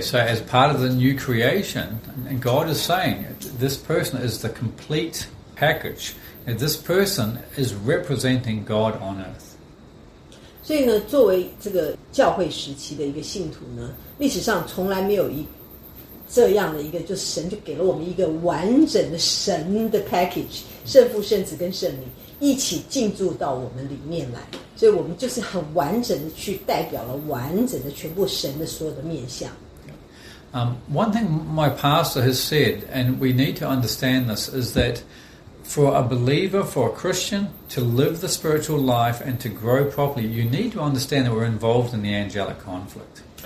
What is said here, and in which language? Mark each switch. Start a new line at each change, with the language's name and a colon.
English: so as part of the new creation, and God is saying, this person is the complete package. And this person is representing God on earth.
Chinese: 所以呢，作为这个教会时期的一个信徒呢，历史上从来没有一。这样的一个就是神就给了我们一个完整的神的package，圣父、圣子跟圣灵一起进驻到我们里面来，所以我们就是很完整的去代表了完整的全部神的所有的面向。
English: One thing my pastor has said, and we need to understand this, is that for a believer, for a Christian, to live the spiritual life and to grow properly, you need to understand that we're involved in the angelic conflict.